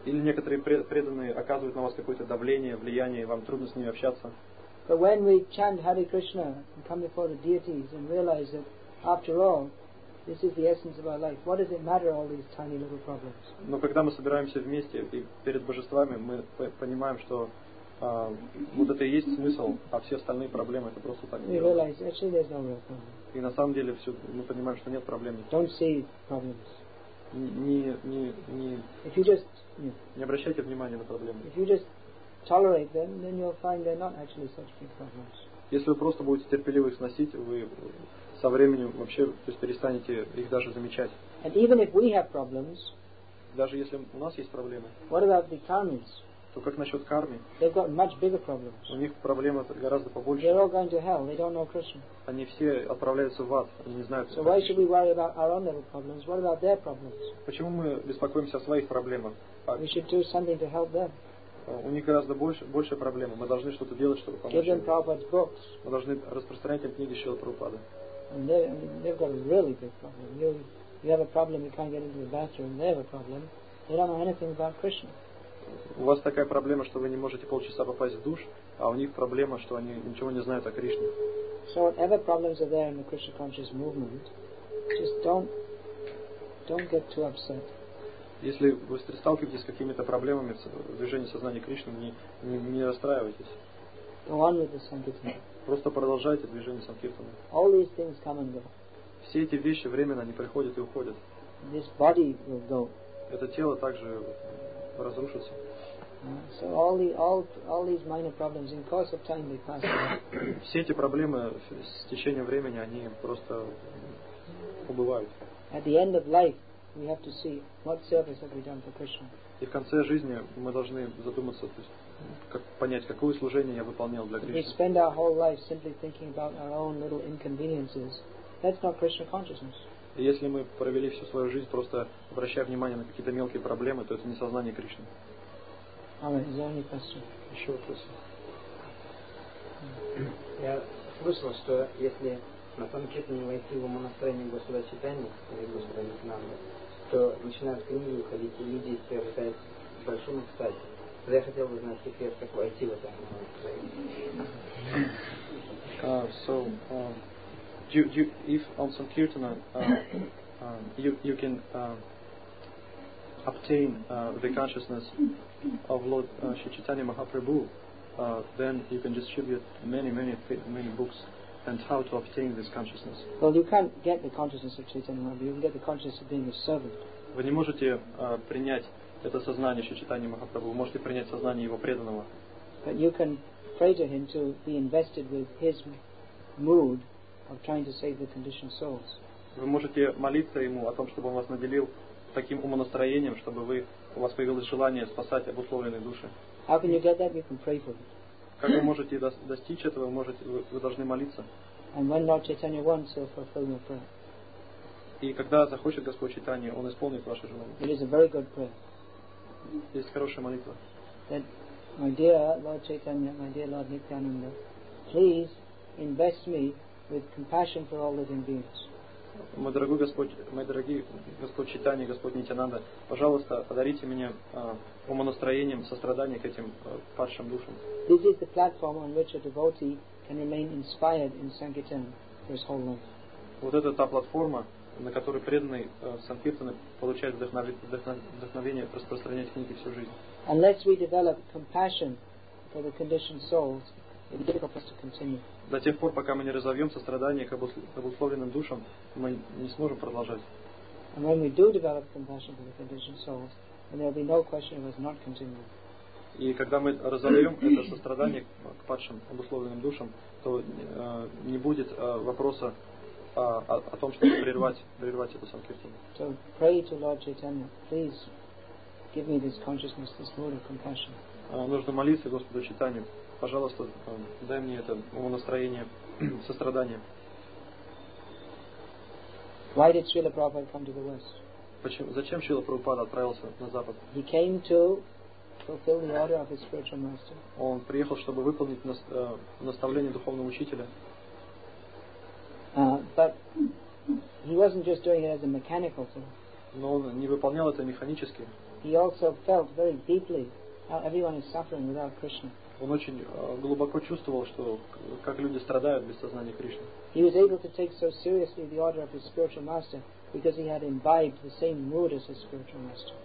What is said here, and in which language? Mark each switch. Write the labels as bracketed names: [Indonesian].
[Russian] Или некоторые преданные оказывают на вас какое-то давление, влияние, и вам трудно с ними общаться. [English] But when we chant Hare Krishna and come before the deities and realize that, after all, this is the essence of our life. What does it matter all these tiny little problems? [Russian] Но когда мы собираемся вместе и перед божествами, мы понимаем, что вот это и есть смысл, а все остальные проблемы это просто так. [English] We realize actually there's no real problem. [Russian] И на самом деле все мы понимаем, что нет проблем. [English] Don't see problems. [Russian] Не. [English] If you just [Russian] не обращайте внимания на проблемы. [English] If you just tolerate them, then you'll find they're not actually such big problems. [Russian] Если вы просто будете терпеливо их сносить, вы со временем вообще то есть перестанете их даже замечать. [English] And even if we have problems, [Russian] даже если у нас есть проблемы, [English] what about the karmis? [Russian] То как насчет кармы? [English] They've got much bigger problems. [Russian] У них проблема гораздо побольше. [English] They're all going to hell. They don't know Krishna. [Russian] Они все отправляются в ад. Они не знают. [English] So why should we worry about our own little problems? What about their problems? [Russian] Почему мы беспокоимся о своих проблемах? [English] We should do something to help them. [Russian] У них гораздо больше проблем. Мы должны что-то делать, чтобы помочь. [English] Give them Prabhupada's books. [Russian] Мы должны распространять им книги Шрилы Прабхупады. [English] And they've got a really big problem. You have a problem, you can't get into the bathroom. They have a problem. They don't know anything about Krishna. [Russian] У вас такая проблема, что вы не можете полчаса попасть в душ, а у них проблема, что они ничего не знают о Кришне. [English] So whatever problems are there in the Krishna conscious movement, just don't get too upset. [Russian] Если вы сталкиваетесь с какими-то проблемами в движении сознания Кришны, не расстраивайтесь. [English] Go on with the sankirtan. [Russian] Просто продолжайте движение санкиртаны. [English] All these things come and go. [Russian] Все эти вещи временно, они приходят и уходят. [English] This body will go. [Russian] Это тело также разрушится. [English] So all these minor problems in course of time they pass away. [Russian] Все эти проблемы с течением времени они просто убывают. [English] At the end of life, we have to see what service have we done for Krishna. [Russian] И в конце жизни мы должны задуматься, то есть, как понять, какое служение я выполнял для Кришны. [English] If we spend our whole life simply thinking about our own little inconveniences, that's not Krishna consciousness. [Russian] И если мы провели всю свою жизнь просто обращая внимание на какие-то мелкие проблемы, то это не сознание Кришны. [English] Is there any question? [Russian] Еще вопросы? Я слышал, что если на самом кетане войти в умонастроение Господа Читания или Господа Нитинанда, то начинают книги уходить, и люди приобретают в большом экстазе. Тогда я хотел бы знать секрет, как войти в это умонастроение. [English] If on some kirtana you can obtain the consciousness of Lord Sri Chaitanya Mahaprabhu, then you can distribute many books. And how to obtain this consciousness? Well, you can't get the consciousness of Chaitanya Mahaprabhu. You can get the consciousness of being a servant. [Russian] Вы не можете принять это сознание Шри Чайтаньи Махапрабху. Вы можете принять сознание его преданного. [English] But you can pray to him to be invested with his mood of trying to save the conditioned souls. [Russian] Вы можете молиться ему о том, чтобы он вас наделил таким умонастроением, чтобы вы, у вас появилось желание спасать обусловленные души. [English] How can you get that? You can pray for it. [Russian] Как вы можете достичь этого, вы должны молиться. [English] And when Lord Chaitanya wants, he'll fulfill your prayer. [Russian] И когда захочет Господь Чайтанья, он исполнит ваше желание. [English] It is a very good prayer. [Russian] Есть хорошая молитва. [English] That, my dear Lord Chaitanya, my dear Lord Nityananda, please invest me with compassion for all living beings. [Russian] Мой дорогой Господь, мои дорогие Господь Чайтанья, Господь Нитянанда, пожалуйста, одарите меня умонастроением сострадания к этим падшим душам. [English] This is the platform on which a devotee can remain inspired in Sankirtan for his whole life. [Russian] Вот это та платформа, на которой преданный Санкиртаны получает вдохновение распространять книги всю жизнь. [English] Unless we develop compassion for the conditioned souls, it's difficult for us to continue. [Russian] До тех пор, пока мы не разовьем сострадание к обусловленным душам, мы не сможем продолжать. [English] And when we do develop compassion for the conditioned souls, then there will be no question of us not continuing. [Russian] И когда мы разовьем это сострадание к падшим обусловленным душам, то не будет вопроса о том, чтобы прервать это санкиртану. [English] So pray to Lord Chaitanya, please give me this consciousness, this mood of compassion. [Russian] Нужно молиться Господу Чайтанью. Пожалуйста, дай мне это умонастроение, сострадание. [English] Why did Srila Prabhupada come to the West? [Russian] Зачем Шрила Прабхупада отправился на Запад? [English] He came to fulfill the order of his spiritual master. [Russian] Он приехал, чтобы выполнить наставление духовного учителя. [English] But he wasn't just doing it as a mechanical thing. [Russian] Но он не выполнял это механически. [English] He also felt very deeply how everyone is suffering without Krishna. [Russian] Он очень глубоко чувствовал, что как люди страдают без сознания Кришны. [English] He was able to take so seriously the order of his spiritual master because he had imbibed the same mood as his spiritual master.